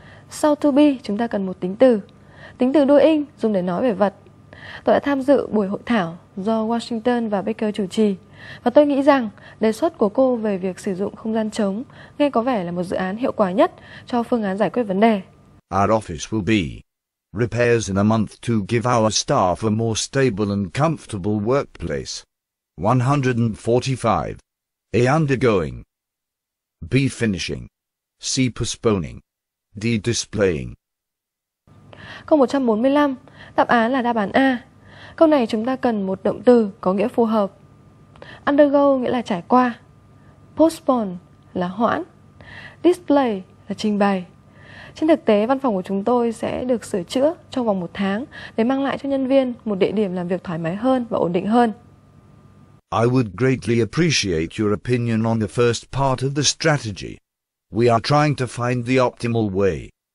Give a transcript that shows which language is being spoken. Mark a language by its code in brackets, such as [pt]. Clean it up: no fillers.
[vi] Sau to be, chúng ta cần một tính từ. Tính từ đuôi ing dùng để nói về vật. Tôi đã tham dự buổi hội thảo do Washington và Baker chủ trì. Và tôi nghĩ rằng đề xuất của cô về việc sử dụng không gian trống nghe có vẻ là một dự án hiệu quả nhất cho phương án giải quyết vấn đề. [en] Our office will be repairs in a month to give our staff a more stable and comfortable workplace. 145. A. Undergoing. B. Finishing. C. Postponing. D. Displaying. [vi] Câu 145. Đáp án là đáp án A. Câu này chúng ta cần một động từ có nghĩa phù hợp. Undergo nghĩa là trải qua. Postpone là hoãn. Display là trình bày. Trên thực tế, văn phòng của chúng tôi sẽ được sửa chữa trong vòng một tháng để mang lại cho nhân viên một địa điểm làm việc thoải mái hơn và ổn định hơn. [en] I would greatly appreciate your opinion on the first part of the strategy. We are trying to find the optimal way.